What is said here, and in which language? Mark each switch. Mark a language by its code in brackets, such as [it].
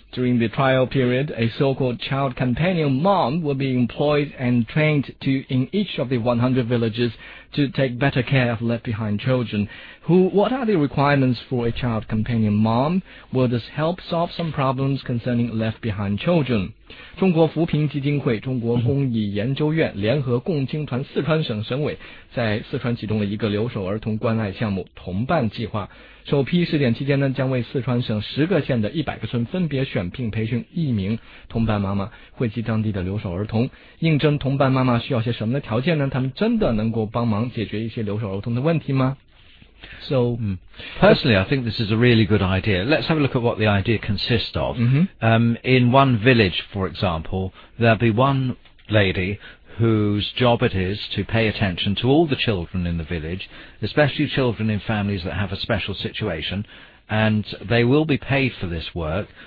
[en] During the trial period, a so-called child companion mom will be employed and trained to, in each of the 100 villages to take better care of left-behind children. What are the requirements for a child companion mom? Will this help solve some problems concerning left-behind children? [zh] 中国扶贫基金会、中国公益研究院联合共青团四川省省委在四川启动了一个留守儿童关爱项目“同伴计划”。首批试点期间呢，将为四川省十个县的100个村分别选聘培训一名同伴妈妈，惠及当地的留守儿童。应征同伴妈妈需要些什么的条件呢？他们真的能够帮忙解决一些留守儿童的问题吗？ [en] So, personally, I think this is a really good idea. Let's have a look at what the idea consists of. Mm-hmm. In one village, for example, there'll be one lady whose job it is to pay attention to all the children in the village, especially children in families that have a special situation, and they will be paid for this work.